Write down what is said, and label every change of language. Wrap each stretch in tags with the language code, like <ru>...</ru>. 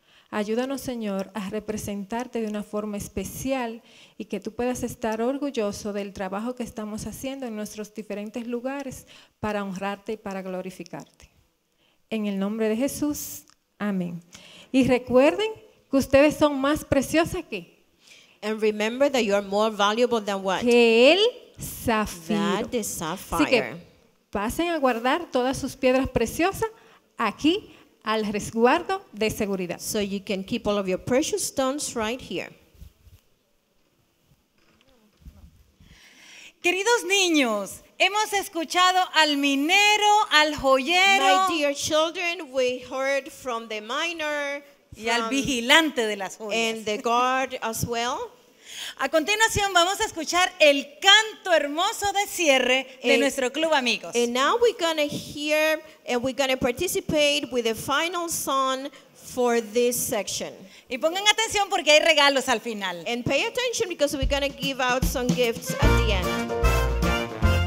<es>Ayúdanos, Señor, a representarte de una forma especial y que tú puedas estar orgulloso del trabajo que estamos haciendo en nuestros diferentes lugares para honrarte y para glorificarte. En el nombre de Jesús, amén. Y recuerden que ustedes son más preciosas que...</es> <en>And remember that you are more valuable than what?</en> <es>Que el zafiro.</es> <en>That is sapphire.</en> <es>Así que pasen a guardar todas sus piedras preciosas aquí al resguardo de seguridad.</es> <en>So you can keep all of your precious stones right here.</en> <es>Queridos niños, hemos escuchado al minero, al joyero.</es> <en>My dear children, we heard from the miner.</en> <es>Y al vigilante de las joyas.</es> <en>And the guard as well.</en> <es>A continuación vamos a escuchar el canto hermoso de cierre de nuestro club amigos.</es> <en>And now we're gonna hear and we're gonna participate with the final song for this section.</en> <es>Y pongan atención porque hay regalos al final.</es> <en>And pay attention because we're gonna give out some gifts at the end.</en>